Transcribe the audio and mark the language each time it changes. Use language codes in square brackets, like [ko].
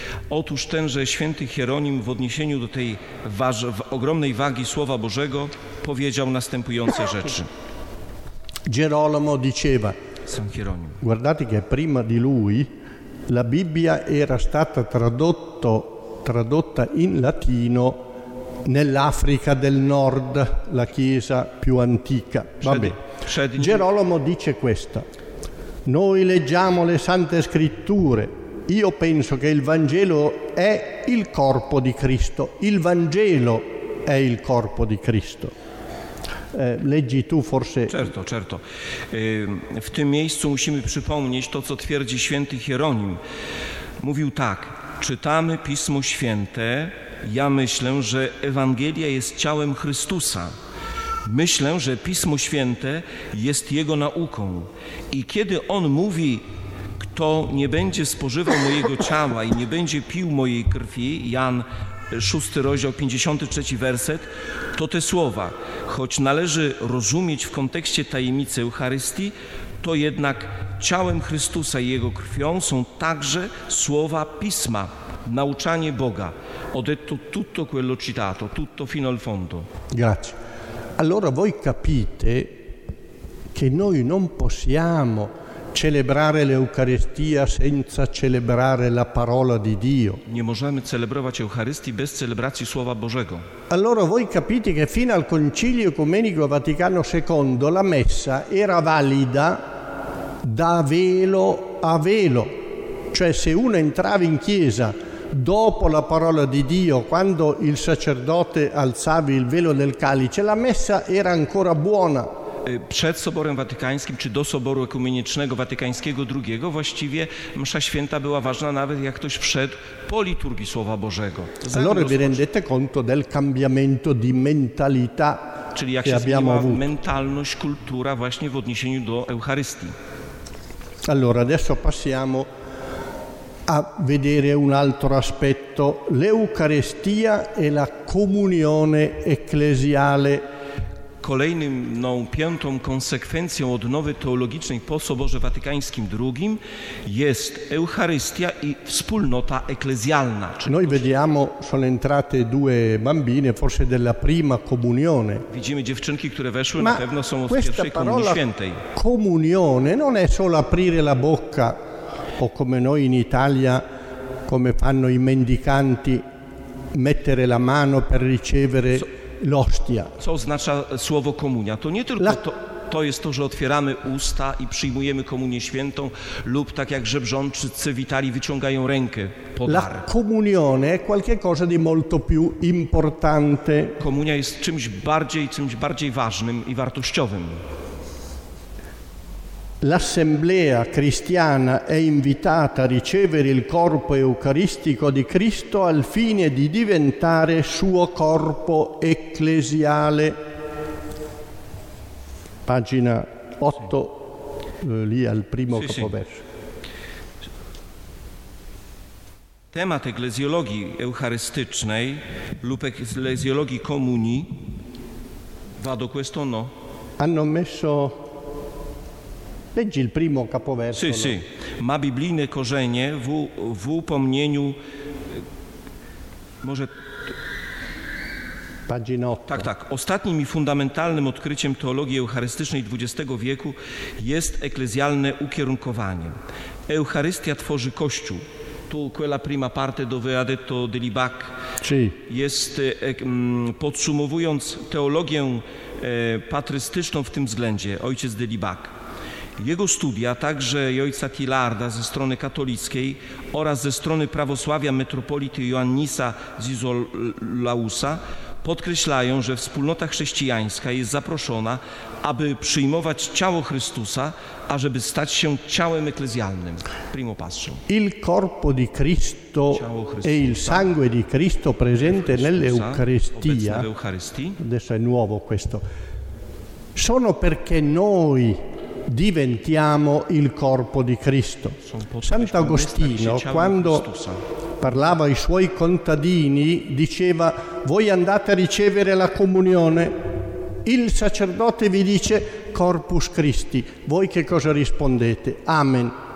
[pl] Otóż tenże święty Hieronim w odniesieniu do tej ogromnej wagi Słowa Bożego powiedział następujące rzeczy. [it] Gerolamo diceva, guardate che prima di lui la Bibbia era stata tradotta in latino nell'Africa del Nord, la chiesa più antica. Vabbè. Gerolamo dice questo: noi leggiamo le sante scritture, io penso che il Vangelo è il corpo di Cristo, il Vangelo è il corpo di Cristo. Leggi tu forse. Certo, certo. [pl] W tym miejscu musimy przypomnieć to, co twierdzi święty Hieronim. Mówił tak: czytamy Pismo Święte, ja myślę, że Ewangelia jest ciałem Chrystusa. Myślę, że Pismo Święte jest Jego nauką. I kiedy On mówi, kto nie będzie spożywał mojego ciała i nie będzie pił mojej krwi, Jan 6 rozdział, 53 werset, to te słowa, choć należy rozumieć w kontekście tajemnicy Eucharystii, to jednak ciałem Chrystusa i Jego krwią są także słowa Pisma, nauczanie Boga. [it] Ho detto tutto quello citato, tutto fino al fondo. Grazie. Allora voi capite che noi non possiamo celebrare l'Eucaristia senza celebrare la parola di Dio. [pl] Nie możemy celebrować Eucharystii bez celebracji Słowa Bożego. [it] Allora voi capite che fino al Concilio Ecumenico Vaticano II la messa era valida da velo a velo. Cioè se uno entrava in chiesa dopo la parola di Dio, quando il sacerdote alzava il velo del calice, la messa era ancora buona. [pl] Przed Soborem Watykańskim, czy do Soboru Ekumenicznego Watykańskiego II, właściwie msza święta była ważna, nawet jak ktoś wszedł po liturgii Słowa Bożego. [it] Allora vi rendete conto del cambiamento di mentalità. [pl] Czyli jak się zmieniła mentalność, kultura właśnie w odniesieniu do Eucharystii. [it] Allora, adesso passiamo a vedere un altro aspetto. L'Eucaristia e la comunione ecclesiale. [pl] Kolejnym, piątą konsekwencją odnowy teologicznej po Soborze Watykańskim II jest Eucharystia i wspólnota eklezjalna. [it] Noi vediamo, sono entrate due bambine, forse della prima comunione. [pl] Widzimy dziewczynki, które weszły, [it] ma [pl] na pewno są z pierwszej komunii świętej. [it] Comunione non è solo aprire la bocca, o come noi in Italia, come fanno i mendicanti, mettere la mano per ricevere l'ostia. [pl] Co oznacza słowo komunia? To nie tylko to jest to, że otwieramy usta i przyjmujemy komunię świętą, lub tak jak żebrzączycy w Italii wyciągają rękę po dar. [it] La comunione è qualcosa di molto più importante. [pl] Komunia jest czymś bardziej ważnym i wartościowym. [it] L'assemblea cristiana è invitata a ricevere il corpo eucaristico di Cristo al fine di diventare suo corpo ecclesiale. Pagina 8, lì al primo capoverso. [pl] Temat eklezjologii eucharystycznej lub eklezjologii komunii [it] vado questo no. Hanno messo. Leggi il primo capoverso. Sì, sì. [pl] Ma biblijne korzenie w upomnieniu. Może. [it] Pagina 8. [pl] Tak, tak. Ostatnim i fundamentalnym odkryciem teologii eucharystycznej XX wieku jest eklezjalne ukierunkowanie. Eucharystia tworzy Kościół. [it] Tu quella prima parte dove ha detto Delibac. Sì. [pl] Jest, podsumowując teologię patrystyczną w tym względzie, ojciec Delibac. Jego studia, także i ojca Tilarda ze strony katolickiej oraz ze strony prawosławia metropolity Ioannisa Zizolausa, podkreślają, że wspólnota chrześcijańska jest zaproszona, aby przyjmować ciało Chrystusa, ażeby stać się ciałem eklezjalnym. Primo pastrze. [it] Il corpo di Cristo e il sangue di Cristo presente nell'Eucaristia. Adesso è nuovo questo. Sono perché noi diventiamo il corpo di Cristo. Sant'Agostino, quando parlava ai suoi contadini, diceva: voi andate a ricevere la comunione, il sacerdote vi dice Corpus Christi, voi che cosa rispondete? Amen.